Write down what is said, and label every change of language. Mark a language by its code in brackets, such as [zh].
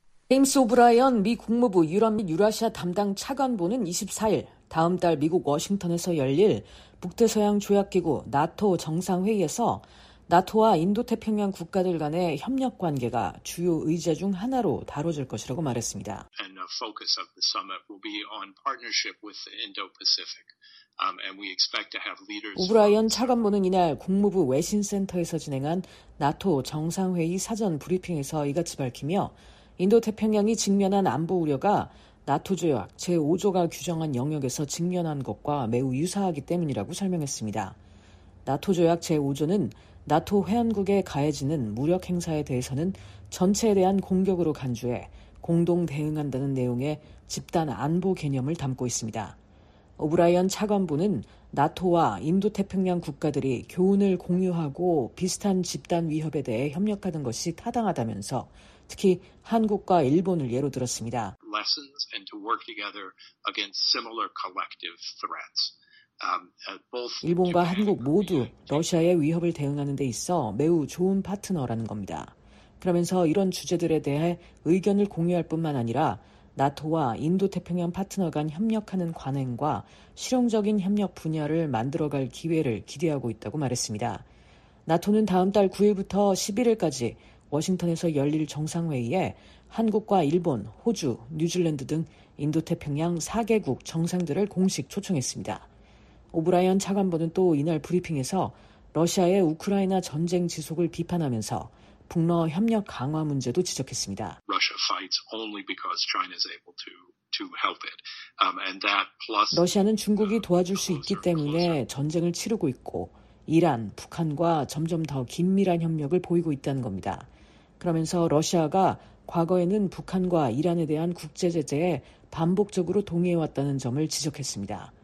[ko] 제임스 오브라이언 미 국무부 유럽 및 유라시아 담당 차관보는 24일 다음 달 미국 워싱턴에서 열릴 북대서양 조약기구 나토 정상회의에서 나토와 인도태평양 국가들 간의 협력 관계가 주요 의제 중 하나로 다뤄질 것이라고 말했습니다. [en] And the focus of the summit will be on partnership with the Indo-Pacific. And we expect to have leaders. [ko] 오브라이언 차관보는 이날 국무부 외신센터에서 진행한 나토 정상회의 사전 브리핑에서 이같이 밝히며 인도태평양이 직면한 안보 우려가 나토 조약 제5조가 규정한 영역에서 직면한 것과 매우 유사하기 때문이라고 설명했습니다. 나토 조약 제5조는 나토 회원국에 가해지는 무력 행사에 대해서는 전체에 대한 공격으로 간주해 공동 대응한다는 내용의 집단 안보 개념을 담고 있습니다. 오브라이언 차관보는 나토와 인도태평양 국가들이 교훈을 공유하고 비슷한 집단 위협에 대해 협력하는 것이 타당하다면서 특히 한국과 일본을 예로 들었습니다. [en] Lessons and to work together against similar collective threats. [ko] 일본과 한국 모두 러시아의 위협을 대응하는 데 있어 매우 좋은 파트너라는 겁니다. 그러면서 이런 주제들에 대해 의견을 공유할 뿐만 아니라 나토와 인도태평양 파트너 간 협력하는 관행과 실용적인 협력 분야를 만들어갈 기회를 기대하고 있다고 말했습니다. 나토는 다음 달 9일부터 11일까지 워싱턴에서 열릴 정상회의에 한국과 일본, 호주, 뉴질랜드 등 인도태평양 4개국 정상들을 공식 초청했습니다. 오브라이언 차관보는 또 이날 브리핑에서 러시아의 우크라이나 전쟁 지속을 비판하면서 북러 협력 강화 문제도 지적했습니다. [en] Russia fights only because China is able to help it. And that plus [ko] 러시아는 중국이 도와줄 수 있기 때문에 전쟁을 치르고 있고 이란, 북한과 점점 더 긴밀한 협력을 보이고 있다는 겁니다. 그러면서 러시아가 과거에는 북한과 이란에 대한 국제 제재에 반복적으로 동의해 왔다는 점을 지적했습니다.